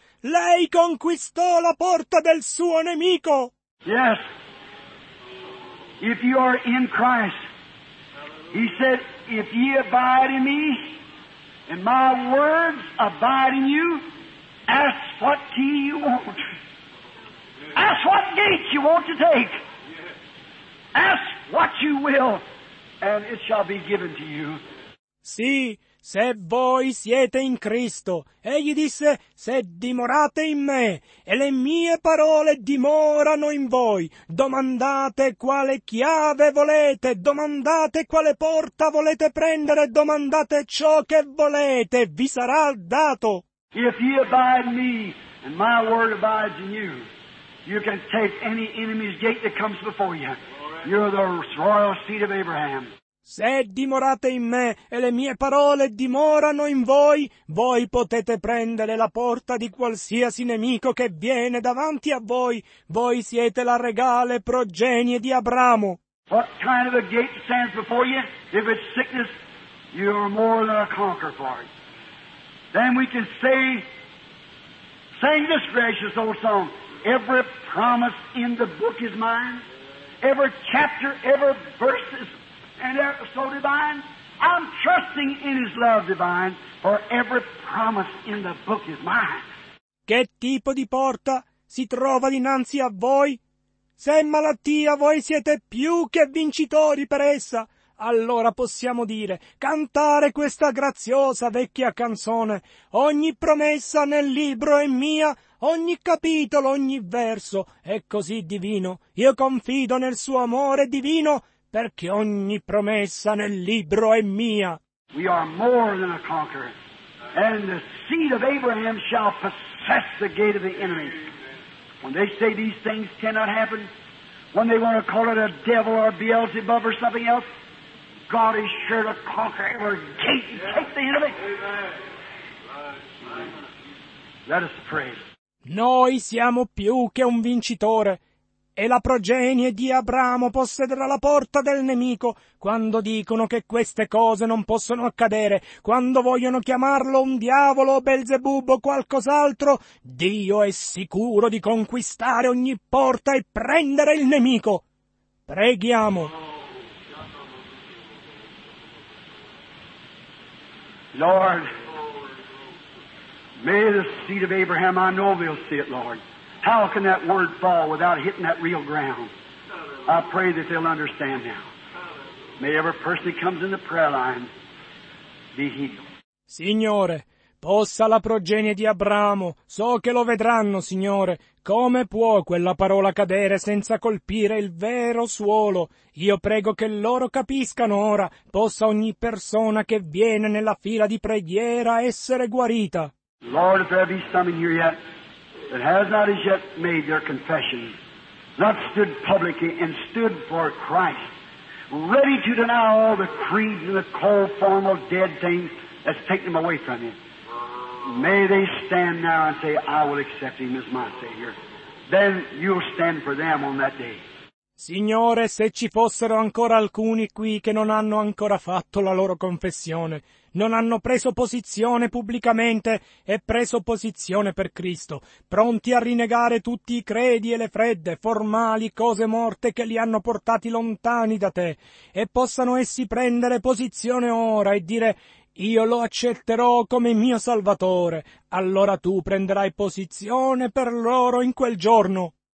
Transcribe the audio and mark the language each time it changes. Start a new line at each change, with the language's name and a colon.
Italian: Lei conquistò la porta del suo nemico.
English: Yes. If you are in Christ, he said, if ye abide in me, and my words abide in you, ask what key you want. Ask what gate you want to take. Ask what you will, and it shall be given to you.
Italian: Sì, se voi siete in Cristo, egli disse, se dimorate in me, e le mie parole dimorano in voi, domandate quale chiave volete, domandate quale porta volete prendere, domandate ciò che volete, vi sarà dato.
English: If you abide in me, and my word abides in you, you can take any enemy's gate that comes before you. You're the royal seed of Abraham.
Italian: Se dimorate in me e le mie parole dimorano in voi, voi potete prendere la porta di qualsiasi nemico che viene davanti a voi. Voi siete la regale progenie di Abramo.
English: What kind of a gate stands before you? If it's sickness, you are more than a conqueror for it. Then we can say, sing this gracious old song, every promise in the book is mine, every chapter, every verse is mine. And so divine, I'm trusting in His love divine, for every promise in the book is mine.
Italian: Che tipo di porta si trova dinanzi a voi? Se è malattia, voi siete più che vincitori per essa. Allora possiamo dire, cantare questa graziosa vecchia canzone. Ogni promessa nel libro è mia, ogni capitolo, ogni verso è così divino. Io confido nel suo amore divino, perché ogni promessa nel libro è mia.
English: We are more than a conqueror, and the seed of Abraham shall possess the gate of the enemy. When they say these things cannot happen, when they want to call it a devil or a Beelzebub or something else, God is sure to conquer every gate and take the enemy. Let us pray.
Italian: Noi siamo più che un vincitore, e la progenie di Abramo possederà la porta del nemico. Quando dicono che queste cose non possono accadere, quando vogliono chiamarlo un diavolo o Belzebub o qualcos'altro, Dio è sicuro di conquistare ogni porta e prendere il nemico. Preghiamo.
English: Lord, may the seed of Abraham, I know they'll see it, Lord. How can that word fall without hitting that real ground? I pray that they'll understand now. May every person that comes in the prayer line be healed.
Italian: Signore, possa la progenie di Abramo, so che lo vedranno, Signore, come può quella parola cadere senza colpire il vero suolo? Io prego che loro capiscano ora, possa ogni persona che viene nella fila di preghiera essere guarita.
English: Lord, if there be some in here yet, that has not as yet made their confession, not stood publicly and stood for Christ, ready to deny all the creeds and the cold form of dead things that's taken them away from Him. May they stand now and say, I will accept Him as my Savior. Then you'll stand for them on that day.
Italian: Signore, se ci fossero ancora alcuni qui che non hanno ancora fatto la loro confessione, non hanno preso posizione pubblicamente e preso posizione per Cristo, pronti a rinnegare tutti i credi e le fredde, formali cose morte che li hanno portati lontani da te, e possano essi prendere posizione ora e dire, io lo accetterò come mio Salvatore, allora tu prenderai posizione per loro in quel giorno.